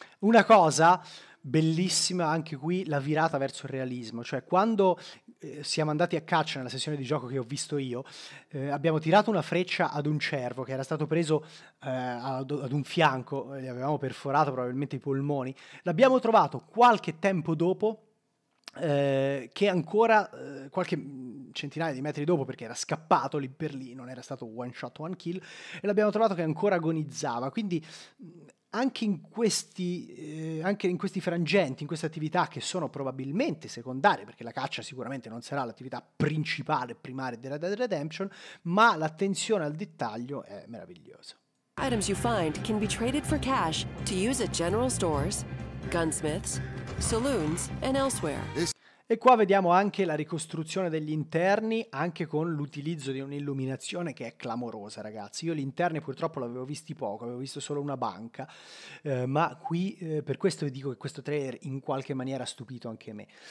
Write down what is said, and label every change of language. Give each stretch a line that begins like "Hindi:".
Italian: Una cosa bellissima anche qui, la virata verso il realismo, cioè quando siamo andati a caccia nella sessione di gioco che ho visto io, abbiamo tirato una freccia ad un cervo che era stato preso ad un fianco, gli avevamo perforato probabilmente i polmoni, l'abbiamo trovato qualche tempo dopo, che ancora qualche centinaia di metri dopo, perché era scappato lì per lì, non era stato
English: one shot one kill,
Italian: e l'abbiamo trovato che ancora agonizzava, quindi... Anche in questi frangenti, in queste attività che sono probabilmente secondarie, perché la caccia sicuramente non sarà l'attività principale e primaria della Dead Redemption, ma l'attenzione al dettaglio è meravigliosa.
English: Items you find can be traded for cash to use at general stores, gunsmiths, saloons and elsewhere.
Italian: E qua vediamo anche la ricostruzione degli interni, anche con l'utilizzo di un'illuminazione che è clamorosa, ragazzi. Io l'interno purtroppo l'avevo visto poco, avevo visto solo una banca, ma qui per questo vi dico che questo trailer in qualche maniera ha stupito anche me.